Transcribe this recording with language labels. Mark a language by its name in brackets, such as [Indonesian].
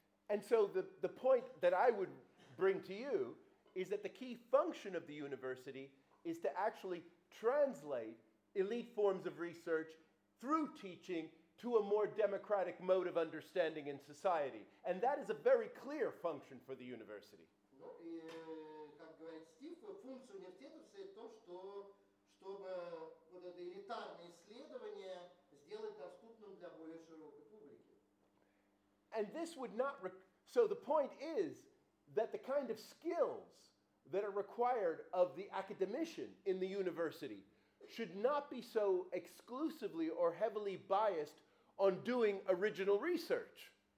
[English] And so the point that I would bring to you is that the key function of the university is to actually translate elite forms of research through teaching to a more democratic mode of understanding in society. And that is a very clear function for the university. [Russian] Ну, и, как говорит Стив, функция университета состоит в том, что, чтобы вот это элитарное исследование сделать доступным для более широкой публики. [English] And this would not... So the point is that the kind of skills that are required of the academician in the university should not be so exclusively or heavily biased on doing original research.